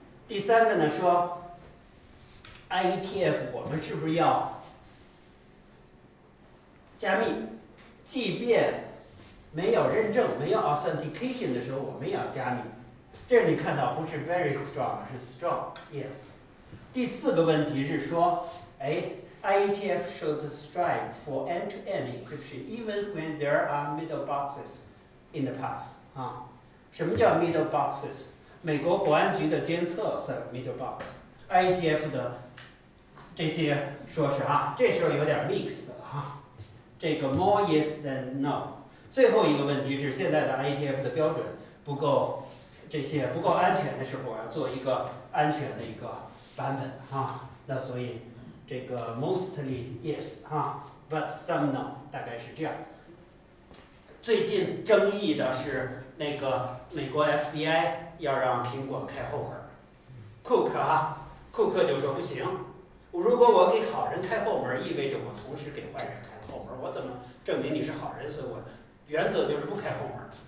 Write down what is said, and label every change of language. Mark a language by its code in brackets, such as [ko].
[zh] 第三个呢说 IETF 我们是不是要加密，即便没有认证没有 authentication 的时候我们也要加密，这你看到不是 very strong， 是 strong yes。第四个问题是说，哎， [en] IETF should strive for end-to-end encryption even when there are middle boxes in the past、 [zh] 啊、什么叫 [en] middle boxes？ [zh] 美国国安局的监测算 middle box， IETF 的这些说是啊，这时候有点 mixed 了哈。这个 more yes than no。最后一个问题是，现在的 IETF 的标准不够，这些不够安全的时候要做一个安全的一个版本哈。那所以这个 mostly yes 哈， but some no， 大概是这样。最近争议的是那个美国 FBI 要让苹果开后门， Cook 啊， Cook 就说不行，如果我给好人开后门，意味着我同时给坏人开后门，我怎么证明你是好人？所以我原则就是不开后门。